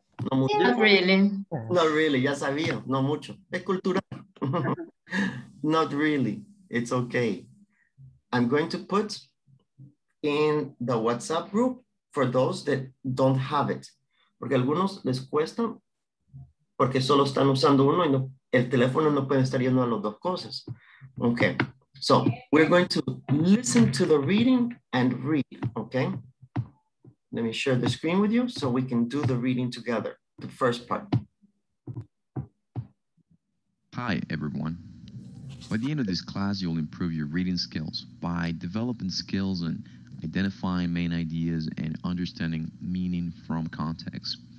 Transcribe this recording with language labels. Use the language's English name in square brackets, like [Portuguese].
[Spanish] No mucho. [English] Not really. Not really, [Spanish] ya sabía, no mucho. Es cultura. [English] Not really, it's okay. I'm going to put in the WhatsApp group for those that don't have it. [Spanish] Porque algunos les cuesta. Porque solo están usando uno y no, el teléfono no puede estar yendo a las dos cosas. [English] Okay, so we're going to listen to the reading and read, okay? Let me share the screen with you so we can do the reading together, the first part. Hi, everyone. By the end of this class, you'll improve your reading skills by developing skills and identifying main ideas and understanding meaning from context.